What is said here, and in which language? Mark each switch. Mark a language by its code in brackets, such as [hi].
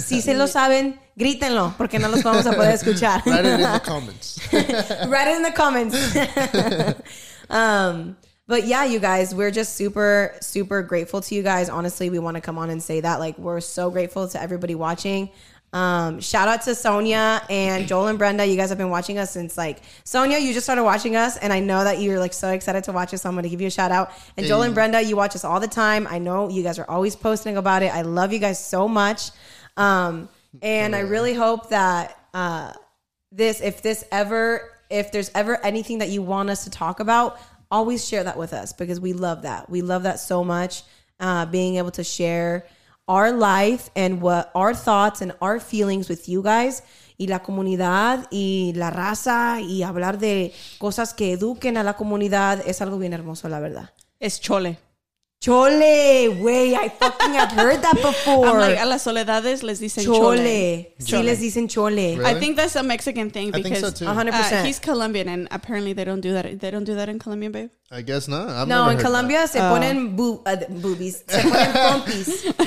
[es] Si se lo saben, grítenlo, porque no los vamos a poder escuchar. [en] Write it in the comments. But yeah, you guys, we're just super, super grateful to you guys. Honestly, we want to come on and say that. Like, we're so grateful to everybody watching. Shout out to Sonia and Joel and Brenda. You guys have been watching us since like, Sonia, you just started watching us. And I know that you're like so excited to watch us. So I'm going to give you a shout out. And Joel and Brenda, you watch us all the time. I know you guys are always posting about it. I love you guys so much. And I really hope that if there's ever anything that you want us to talk about, always share that with us, because we love that. We love that so much, being able to share our life and what our thoughts and our feelings with you guys. [es] Y la comunidad y la raza y hablar de cosas que eduquen a la comunidad es algo bien hermoso, la verdad. Es chole. [en] Chole, güey, I fucking have heard that before. I'm like, [es] a las soledades les dicen chole. Sí, les dicen chole. [en] Really? I think that's a Mexican thing, because I think so too. 100%. He's Colombian, and apparently they don't do that. They don't do that in Colombia, babe. I guess not. [es] In Colombia se ponen boobies. Se ponen pompis.